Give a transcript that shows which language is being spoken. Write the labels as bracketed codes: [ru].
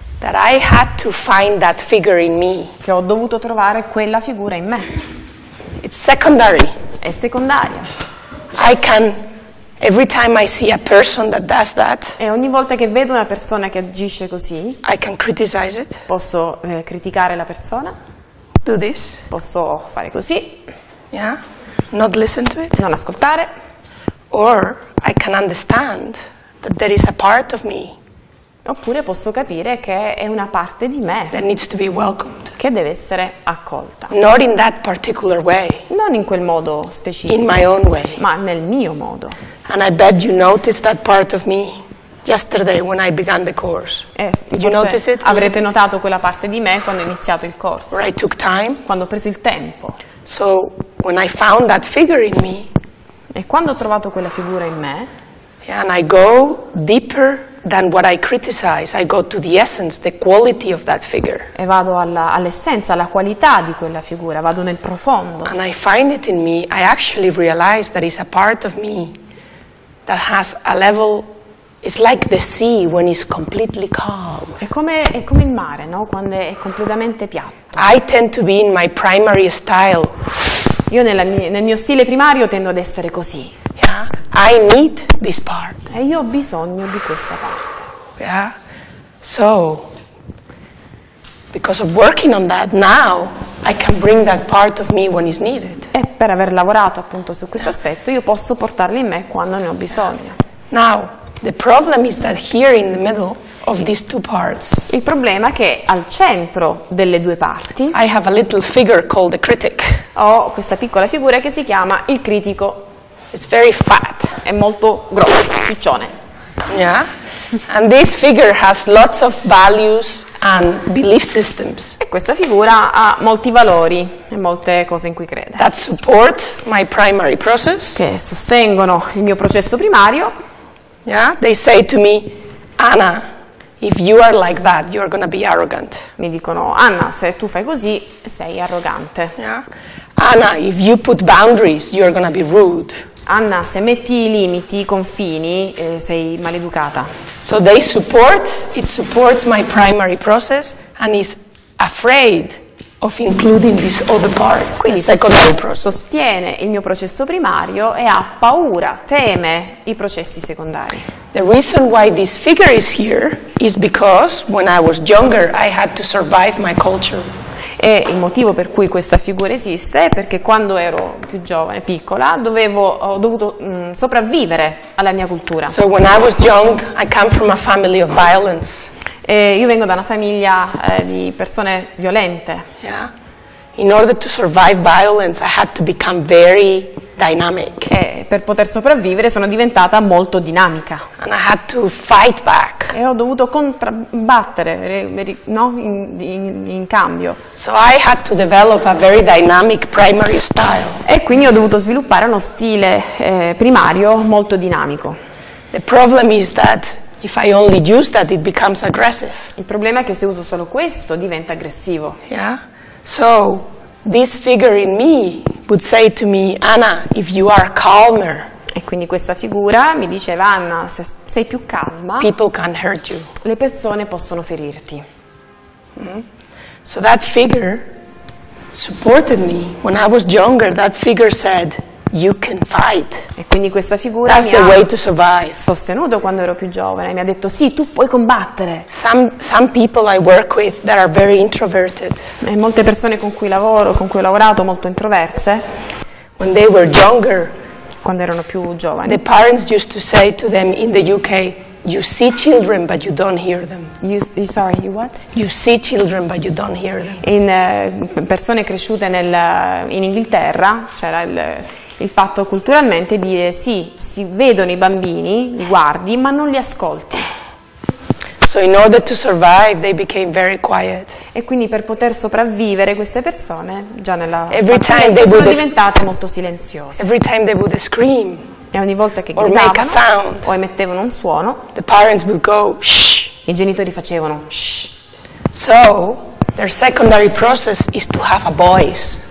[en] That I had to find that figure in me. [it] Che ho dovuto trovare quella figura in me. [en] It's secondary. [it] È secondaria. [en] I can. Every time I see a person that does that, [it] e ogni volta che vedo una persona che agisce così, [en] I can criticize it. [it] Posso criticare la persona. [en] Do this. [it] Posso fare così. [en] Yeah. Not listen to it. [it] Non ascoltare. [en] Or I can understand that there is a part of me. [it] Oppure posso capire che è una parte di me [en] that needs to be welcomed. [it] Che deve essere accolta. [en] Not in that particular way. [it] Non in quel modo specifico. [en] In my own way. [it] Ma nel mio modo. [en] And I bet you noticed that part of me yesterday when I began the course. Did you notice it? [it] Avrete notato quella parte di me quando ho iniziato il corso. [en] Where I took time. [it] Quando ho preso il tempo. [en] So when I found that figure in me. [it] E quando ho trovato quella figura in me. [en] Yeah, and I go deeper than what I criticize, I go to the essence, the quality of that figure. [it] E vado all'essenza, alla qualità di quella figura, vado nel profondo. [en] And I find it in me, I actually realize that it's a part of me that has a level, it's like the sea when it's completely calm. [it] È come il mare, no? Quando è completamente piatto. [en] I tend to be in my primary style. [it] Io nel mio stile primario tendo ad essere così. [en] I need this part. [it] E io ho bisogno di questa parte. [en] Yeah. So, because of working on that now, I can bring that part of me when it's needed. [it] E per aver lavorato appunto su questo aspetto, io posso portarlo in me quando ne ho bisogno. [en] Now, the problem is that here in the middle of these two parts. [it] Il problema è che al centro delle due parti. [en] I have a little figure called the critic. [it] Ho questa piccola figura che si chiama il critico. [en] It's very fat. [it] È molto grosso, ciccione. [en] Yeah. And this figure has lots of values and belief systems. [it] E questa figura ha molti valori e molte cose in cui crede. [en] That support my primary process. [it] Che sostengono il mio processo primario. [en] Yeah. They say to me, Anna, if you are like that, you are going to be arrogant. [it] Mi dicono, Anna, se tu fai così, sei arrogante. [en] Yeah. Anna, if you put boundaries, you are going to be rude. [it] Anna, se metti i limiti, i confini, sei maleducata. [en] So they support, it supports my primary process and is afraid of including this other part, [it] quindi [en] the secondary process. [it] Sostiene il mio processo primario e ha paura, teme i processi secondari. [en] The reason why this figure is here is because when I was younger I had to survive my culture. [it] E il motivo per cui questa figura esiste è perché quando ero più giovane, piccola, ho dovuto sopravvivere alla mia cultura. [en] So when I was young, I come from a family of violence. [it] E io vengo da una famiglia di persone violente. [en] Yeah. In order to survive violence, I had to become very dynamic. [it] E per poter sopravvivere sono diventata molto dinamica. [en] And I had to fight back. [it] E ho dovuto controbattere, no, in cambio. [en] So I had to develop a very dynamic primary style. [it] E quindi ho dovuto sviluppare uno stile primario molto dinamico. [en] The problem is that If I only use that, it becomes aggressive. [it] Il problema è che se uso solo questo diventa aggressivo. [en] Yeah. So this figure in me would say to me, Anna, if you are calmer. [it] E quindi questa figura mi diceva, Anna, se sei più calma, [en] people can hurt you. [it] Le persone possono ferirti. [en] So that figure supported me when I was younger. That figure said, you can fight. [it] E quindi questa figura [en] that's [it] mi [en] the [it] ha [en] way to survive. [it] Sostenuto quando ero più giovane, mi ha detto sì, tu puoi combattere. [en] Some people I work with that are very introverted. [it] E molte persone con cui lavoro, con cui ho lavorato, molto introverse. [en] When they were younger, [it] quando erano più giovani, [en] the parents used to say to them in the UK, you see children but you don't hear them. You see children but you don't hear them. [it] In persone cresciute in Inghilterra c'era il fatto culturalmente di dire sì, si vedono i bambini, li guardi, ma non li ascolti. [en] So in order to survive, they became very quiet. [it] E quindi per poter sopravvivere queste persone già nella [en] every time they [it] sono [en] would [it] diventate molto silenziose. [en] Every time they would scream. [it] E ogni volta che gridavano o emettevano un suono, [en] the parents would go, shh. [it] I genitori facevano shh. [en] So their secondary process is to have a voice.